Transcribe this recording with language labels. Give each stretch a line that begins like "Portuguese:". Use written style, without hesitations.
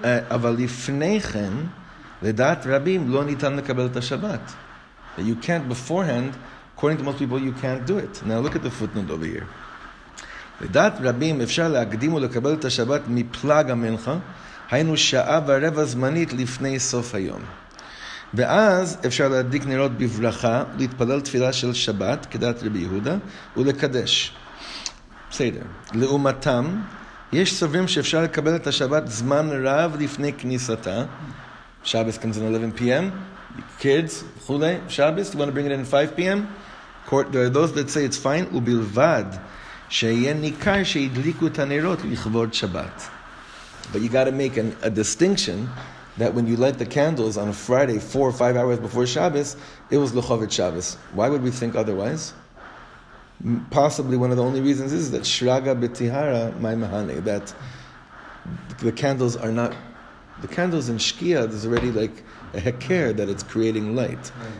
Hebrew: אבל לפני כן, לדעת רבים, לא ניתן לקבל את השבת.
English: You can't beforehand, according to most people, you can't do it. Now look at the footnote over here.
Hebrew: לדעת רבים, אפשר להקדים ולקבל את השבת מפלג המנחה, היינו שעה ורבע זמנית לפני סוף היום. ואז אפשר להדליק נרות בברכה, להתפלל תפילה של שבת, כדעת רבי יהודה, ולקדש. בסדר. לעומתם, יש סוברים שאפשר לקבל את השבת זמן רב לפני כניסתה.
English: Shabbos comes in 11 p.m. Kids, chule, Shabbos, you want to bring it in 5 p.m.? Court, there are those that say it's fine.
Hebrew: ובלבד שיהיה ניכר שהדליקו את הנרות לכבוד שבת.
English: But you got to make a distinction that when you light the candles on a Friday, 4 or 5 hours before Shabbos, it was lechavod Shabbos. Why would we think otherwise? Possibly one of the only reasons is that Shraga Betihara my Mahane, that the candles are not, the candles in Shkia, there's already like a heker that it's creating light.